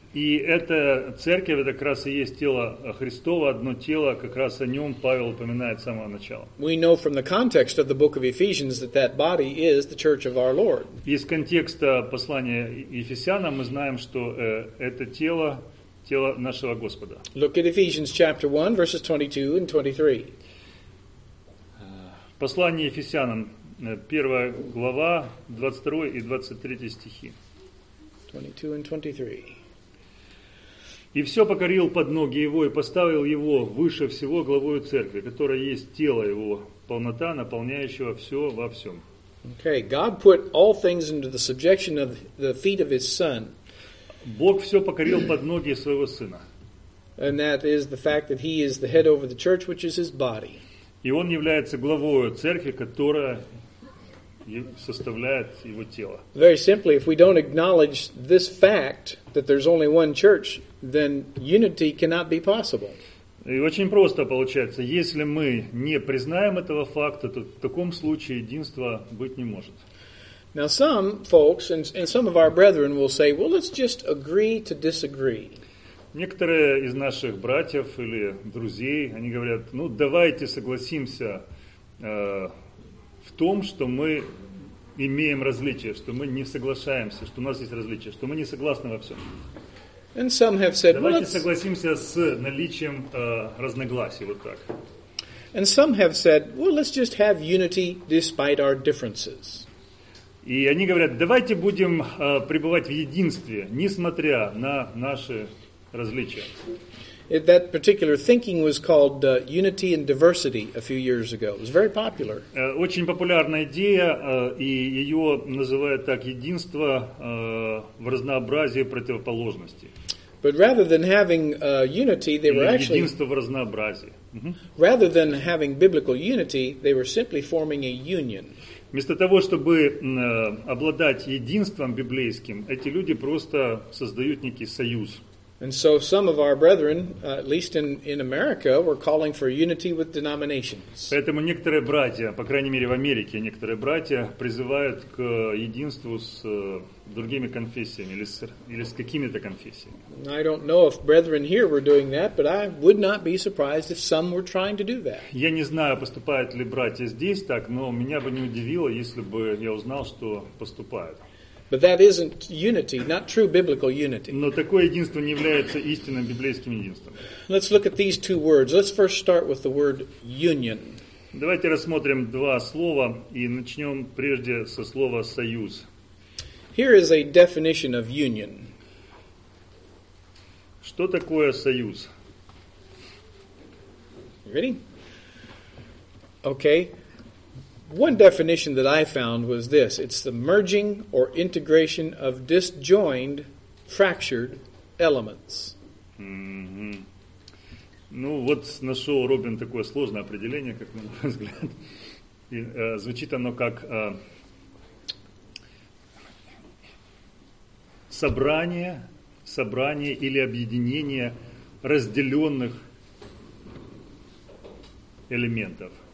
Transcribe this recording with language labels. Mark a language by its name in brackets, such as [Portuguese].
[Russian] И эта церковь, это как раз и есть тело Христово, одно тело, как раз о нем Павел упоминает с самого начала. [English] We know from the context of the book of Ephesians that that body is the church of our Lord. [Russian] Из контекста послания Ефесянам мы знаем, что это тело, тело нашего Господа. [English] Look at Ephesians chapter 1, verses 22 and 23. [Russian] Послание Ефесянам, 1 глава, 22 и 23 стихи. [English] 22 and 23. [Russian] И все покорил под ноги его и поставил его выше всего главою церкви, которая есть тело его, полнота, наполняющего все во всем. [English] Okay, God put all things into the subjection of the feet of his son. [Russian] Бог все покорил под ноги своего сына. [English] And that is the fact that he is the head over the church, which is his body. [Russian] И он является главою церкви, которая и составляет его тело. [English] Very simply, if we don't acknowledge this fact that there's only one church, then unity cannot be possible. [Russian] И очень просто получается, если мы не признаем этого факта, то в таком случае единства быть не может. [English] Now some folks and some of our brethren will say, well, let's just agree to disagree. [Russian] Некоторые из наших братьев или друзей, они говорят, ну давайте согласимся в том, что мы имеем различия, что мы не соглашаемся, что у нас есть различия, что мы не согласны во всем. [English] And some have said, [Russian] давайте согласимся с наличием разногласий, вот так. [English] And some have said, well, let's just have unity despite our differences. [Russian] И они говорят, давайте будем пребывать в единстве, несмотря на наши различия. [English] That particular thinking was called unity and diversity a few years ago. It was very popular. [Russian] Очень популярная идея, и ее называют так: единство в разнообразии противоположностей. [English] But rather than having unity, they were actually [Russian] единство в разнообразии. [English] Rather than having biblical unity, they were simply forming a union. [Russian] Вместо того, чтобы обладать единством библейским, эти люди просто создают некий союз. [English] And so some of our brethren, at least in America, were calling for unity with denominations. [Russian] Поэтому некоторые братья, по крайней мере в Америке, некоторые братья призывают к единству с другими конфессиями или с какими-то конфессиями. [English] I don't know if brethren here were doing that, but I would not be surprised if some were trying to do that. [Russian] Я не знаю, поступают ли братья здесь так, но меня бы не удивило, если бы я узнал, что поступают. [English] But that isn't unity, not true biblical unity. [Russian] Но такое единство не является истинным библейским единством. [English] Let's look at these two words. Let's first start with the word union. [Russian] Давайте рассмотрим два слова и начнем прежде со слова союз. [English] Here is a definition of union. [Russian] Что такое союз? [English] Ready? Okay. One definition that I found was this: it's the merging or integration of disjoined, fractured elements. Mm-hmm. [Russian] Ну вот нашел Робин такое сложное определение, как на мой взгляд. И, звучит оно как собрание или объединение разделенных элементов.